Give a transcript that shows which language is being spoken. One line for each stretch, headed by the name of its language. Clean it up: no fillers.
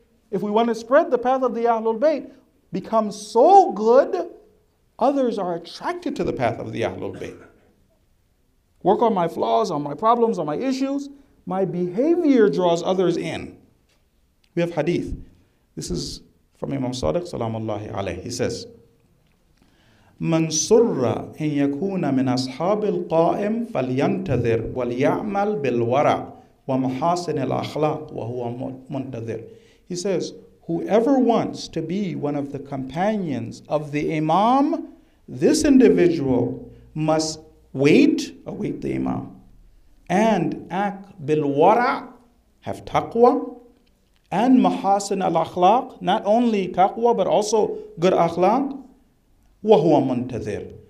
English: If we want to spread the path of the Ahlul Bayt, become so good, others are attracted to the path of the Ahlul Bayt. Work on my flaws, on my problems, on my issues. My behavior draws others in. We have hadith. This is from Imam Sadiq, salamullahi alayhi. He says,
Arabic: من سر أن يكون من أصحاب القائم فلينتظر وليعمل بالورع ومحاسن الأخلاق وهو منتظر.
English: He says, whoever wants to be one of the companions of the Imam, this individual must await the Imam, and act bilwara, have taqwa, and mahasin al-akhlaq, not only taqwa, but also good akhlaq, wahuwa muntadhir.